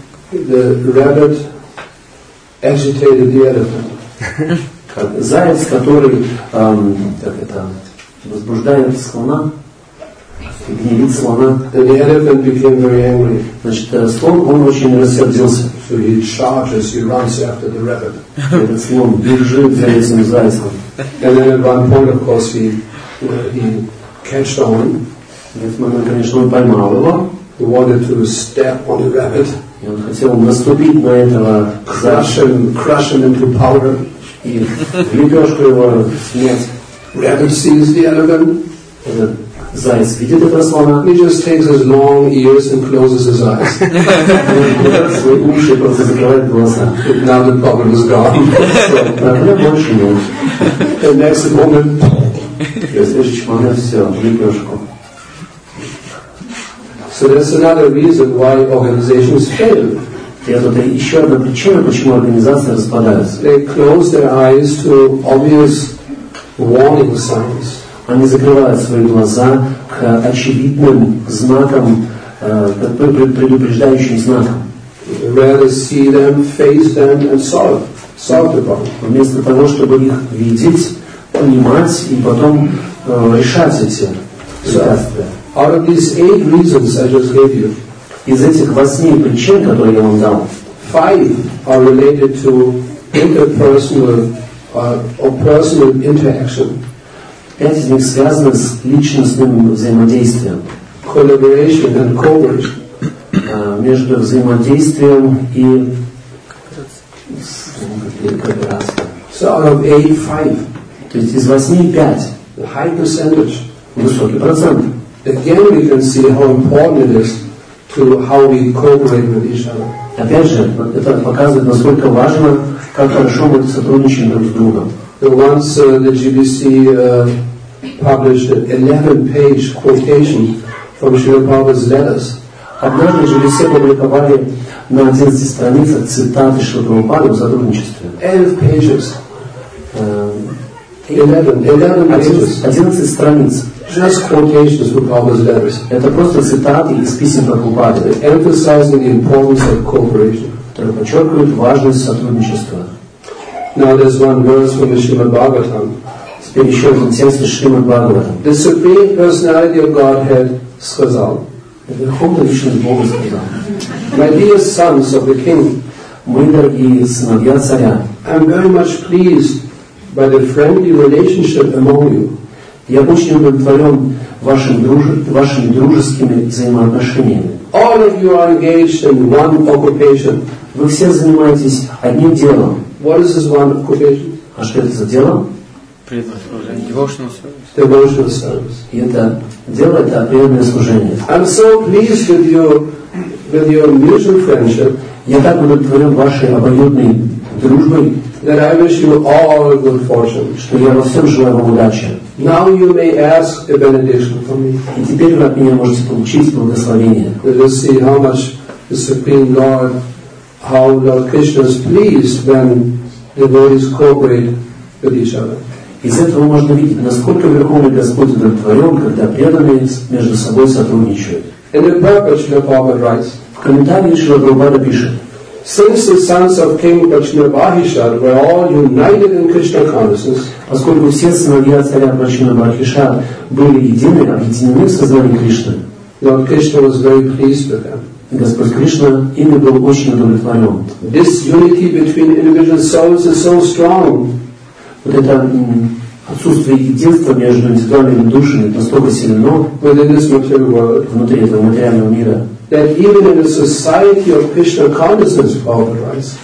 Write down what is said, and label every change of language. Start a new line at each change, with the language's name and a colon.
English: The rabbit agitated the elephant.
Russian: Как заяц, который как это, возбуждает слона, гневит слона.
English: The elephant became very angry.
Russian: Значит, слон, он очень рассердился.
English: So he charges, he runs after the rabbit.
Russian: Этот слон бежит за этим зайцем.
English: And then at one point, of course, he catched on.
Russian: Этот момент, конечно, он поймал его.
English: He wanted to step on the rabbit.
Russian: И он хотел наступить на этого
English: crush him into powder.
Russian: И лепешку его снять.
English: Rabbit sees the elephant.
Russian: Заяц видит этого слона.
English: He just takes his long ears and closes his eyes.
Russian: Свои уши просто закрывает глаза.
English: Now the problem is gone.
Russian: Проблем больше нет.
English: The next moment.
Russian: Следующий момент, все, лепешку.
English: So that's another reason why organizations fail.
Russian: Это еще одна причина, почему организации распадаются.
English: They close their eyes to obvious warning signs.
Russian: Они закрывают свои глаза к очевидным знакам, предупреждающим знакам.
English: Rather see them, face them and solve the problem.
Russian: Вместо того, чтобы их видеть, понимать и потом решать эти препятствия.
English: Out of these eight reasons I just gave you,
Russian: из этих восьми причин, которые я вам дал,
English: five are related to interpersonal or personal interaction.
Russian: Пять из них связаны с личностным взаимодействием.
English: Collaboration and cooperation.
Russian: Между взаимодействием и кооперацией.
English: So out of eight, five.
Russian: То есть из восьми пять.
English: The high percentage.
Russian: Высокий процент.
English: Again, we can see how important it is to how we cooperate with each other.
Russian: Опять же, это показывает, насколько важно, как хорошо мы сотрудничаем друг с другом.
English: Once the GBC published an 11-page quotation from Srila Prabhupada's letters.
Russian: Однажды GBC опубликовали на 11 страницах цитаты Шрила Прабхупады в сотрудничестве.
English: 11 pages. 11
Russian: страниц.
English: Just quotations from Prabhupada's letters.
Russian: Это просто цитаты из писем Прабхупады.
English: Emphasizing the importance of cooperation.
Russian: Которые подчеркивают важность сотрудничества.
English: Now there's one verse from the Srimad Bhagavatam.
Russian: Теперь еще один текст из Шримад Бхагаватам.
English: The Supreme Personality of Godhead
Russian: сказал. Верховная личность Бога сказал.
English: My dear sons of the King.
Russian: Мои дорогие сыновья царя.
English: I'm very much pleased by the friendly relationship among you.
Russian: Я очень удовлетворен вашими дружескими взаимоотношениями.
English: All of you are engaged in one occupation.
Russian: Вы все занимаетесь одним делом.
English: What is this one occupation?
Russian: А что это за дело?
English: Devotional service.
Russian: И это дело, это преданное служение.
English: I'm so pleased with you, with your mutual friendship.
Russian: Я так удовлетворен вашей обоюдной дружбой.
English: That I wish you all good fortune.
Russian: Что я вам всем желаю вам удачи.
English: Now you may ask a benediction for me.
Russian: И теперь вы от меня можете получить благословение.
English: Let's see how much the Supreme Lord, how Lord Krishna is pleased when the devotees cooperate with each other.
Russian: Из этого можно видеть, насколько Верховный Господь удовлетворен, когда преданные между собой сотрудничают.
English: In the purport, Srila Prabhupada writes.
Russian: В комментарии Шрила Прабхупада пишет.
English: Since the sons of King Pachinabhahishar were all united in Krishna consciousness,
Russian: поскольку все сыновья царя Пачинабхахишар были едины, объединены в сознании Кришны,
English: Lord Krishna was very pleased with them.
Russian: Господь Кришна ими был очень удовлетворен.
English: This unity between individual souls is so strong.
Russian: Вот это отсутствие единства между индивидуальными душами настолько сильно
English: within this material world,
Russian: внутри этого материального мира,
English: that even in a society of Krishna consciousness, Prabhupada writes,